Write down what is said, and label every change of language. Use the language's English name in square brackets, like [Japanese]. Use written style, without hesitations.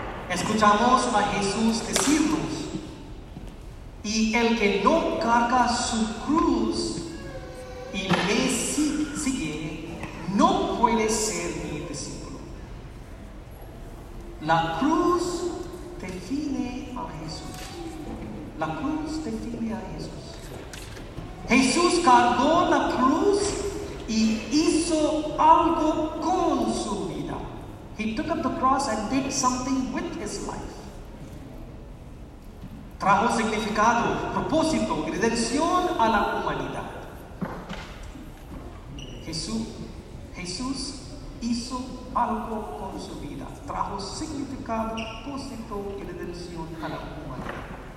[Spanish] Escuchamos a Jesús decirnos: y el que no carga su cruz y me sigue, no puede ser mi discípulo. La cruz define a Jesús. La cruz define a Jesús. Jesús cargó la cruz y hizo algo con su vida. [English] He took up the cross and did something with his life. [Spanish] Trajo significado, propósito, redención a la humanidad. Jesús hizo algo con su vida. Trajo significado, propósito y redención a la humanidad.